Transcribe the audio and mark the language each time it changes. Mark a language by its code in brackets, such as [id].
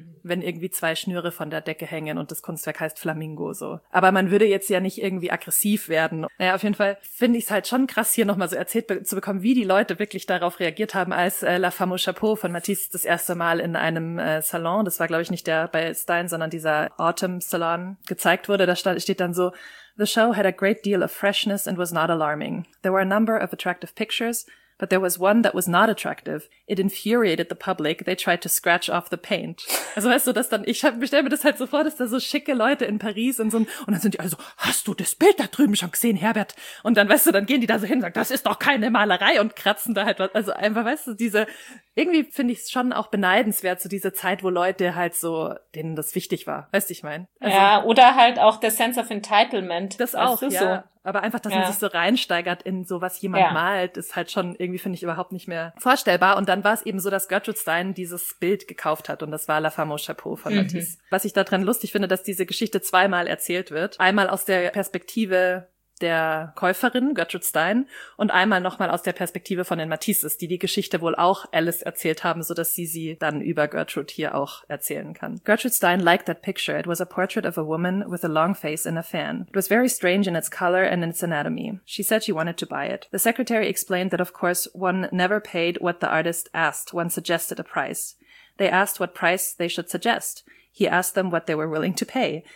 [de] Wenn irgendwie zwei Schnüre von der Decke hängen und das Kunstwerk heißt Flamingo, so. Aber man würde jetzt ja nicht irgendwie aggressiv werden. Naja, auf jeden Fall finde ich es halt schon krass, hier nochmal so erzählt zu bekommen, wie die Leute wirklich darauf reagiert haben, als La Femme au Chapeau von Matisse das erste Mal in einem Salon, das war glaube ich nicht der bei Stein, sondern dieser Autumn Salon, gezeigt wurde. Da steht dann so, [en] "The show had a great deal of freshness and was not alarming. There were a number of attractive pictures, but there was one that was not attractive. It infuriated the public. They tried to scratch off the paint." [de] Also weißt du, dass dann, ich stelle mir das halt so vor, dass da so schicke Leute in Paris und so, und dann sind die also, hast du das Bild da drüben schon gesehen, Herbert? Und dann, weißt du, dann gehen die da so hin und sagen, das ist doch keine Malerei und kratzen da halt was. Also einfach, weißt du, diese, irgendwie finde ich es schon auch beneidenswert, so diese Zeit, wo Leute halt so, denen das wichtig war. Weißt du, ich meine? Also, ja, oder halt auch der Sense of Entitlement. Das auch, ja. So. Aber einfach, dass man sich so reinsteigert in so, was jemand malt, ist halt schon irgendwie, finde ich, überhaupt nicht mehr vorstellbar. Und dann war es eben so, dass Gertrude Stein dieses Bild gekauft hat. Und das war La Femme au Chapeau von Matisse. Was ich da drin lustig finde, dass diese Geschichte zweimal erzählt wird. Einmal aus der Perspektive der Käuferin, Gertrude Stein, und einmal nochmal aus der Perspektive von den Matisses, die die Geschichte wohl auch Alice erzählt haben, so dass sie sie dann über Gertrude hier auch erzählen kann. [en] Gertrude Stein liked that picture. It was a portrait of a woman with a long face in a fan. It was very strange in its color and in its anatomy. She said she wanted to buy it. The secretary explained that of course one never paid what the artist asked when suggested a price. They asked what price they should suggest. He asked them what they were willing to pay.